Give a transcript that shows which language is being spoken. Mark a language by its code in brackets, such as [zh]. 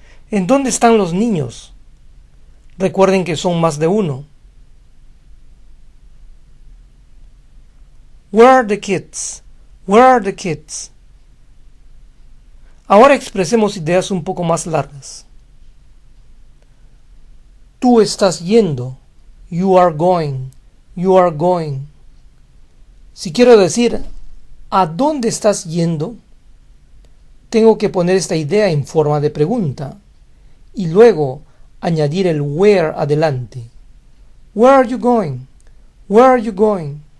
[es] ¿En dónde están los niños? Recuerden que son más de uno. [en] Where are the kids? Where are the kids? [es] Ahora expresemos ideas un poco más largas. Tú estás yendo. [en] You are going. You are going. [es] Si quiero decir, ¿a dónde estás yendo?, tengo que poner esta idea en forma de pregunta y luego añadir el where adelante. [en] Where are you going? [es] Where are you going?